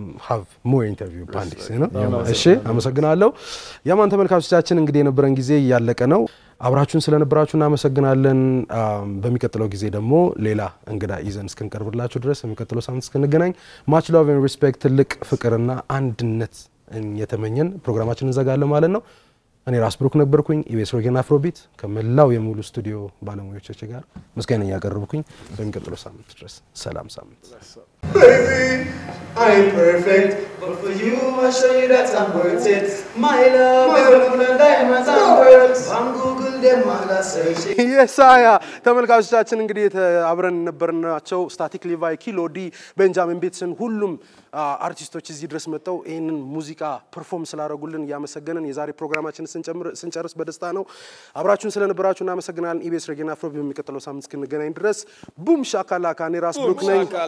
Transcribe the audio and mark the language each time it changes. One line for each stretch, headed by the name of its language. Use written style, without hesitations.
English: have more interview pandis you know
Amharic: እሺ አመሰግናለሁ ያማን ተመልካቾቻችን እንግዲህ ነበርን ጊዜ ያለቀ ነው አብራችሁን ስለነበራችሁና አመሰግናለን በሚከተለው ጊዜ ደግሞ ሌላ እንግዳ ይዘን እስክንቀርብላችሁ ድረስ በሚከተለው ሳምንት እስክንገናኝ
English: much love and respect
Amharic: ልቅ ፍቅርና አንድነት እየተመኘን ፕሮግራማችንን ዘጋለን ማለት ነው እኔ ራስ ብሩክ ነበርኩኝ ኢቤስ ሮጌን አፍሮቢት ከመላው የሙሉ ስቱዲዮ ባለሙያዎች ጋር መስገነኛ ያቀርብኩኝ በሚቀጥለው ሳምንት ድረስ ሰላም ሳምንት
English: Baby, I ain't perfect but for you I show you that I'm worth it my love is gonna find diamonds and pearls I'm Google them all I search
Amharic: it yes aya ተመልካቾቻችን እንግዲህ አብረን ነበርናቸው ስታቲክ ሊቫይ ኪሎ ዲ ቤንጃሚን ቢትስን ሁሉም አርቲስቶች እዚህ ድረስ መጣው ይሄንን ሙዚቃ ፐርፎርም ስላረጉልን ያመሰገነን የዛሬ ፕሮግራማችን ስንጨርስ በደስታ ነው አብራችሁን ስለነበራችሁ እናመሰግናለን ኢቤስ ሬጊና ፍሮ በሚከተለው ሳምንት እንገናኝ ድረስ ቡም ሻካላካ ኔ ራስ ብሩክ ነኝ